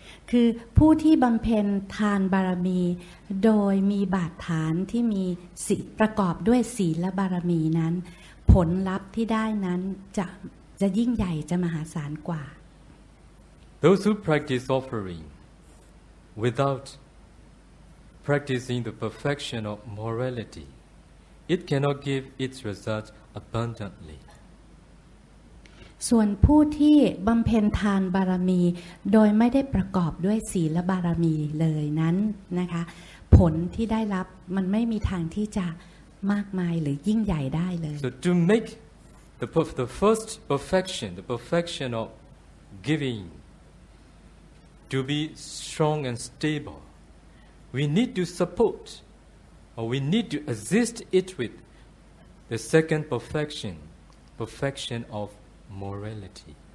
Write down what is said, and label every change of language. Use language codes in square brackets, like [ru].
[th] คือผู้ที่บำเพ็ญทานบารมีโดยมีบาดฐานที่มีศีลประกอบด้วยศีลบารมีนั้นผลลัพธ์ที่ได้นั้นจะยิ่งใหญ่จะมหาศาลกว่า [en] Those who practice offering without practicing the perfection of morality, it cannot give its result abundantly. [th] ส่วนผู้ที่บำเพ็ญทานบารมีโดยไม่ได้ประกอบด้วยศีลบารมีเลยนั้นนะคะผลที่ได้รับมันไม่มีทางที่จะมากมายหรือยิ่งใหญ่ได้เลย [en] So to make the first perfection, the perfection of giving to be strong and stable, we need to support or we need to assist it with the second perfection, perfection ofMorality.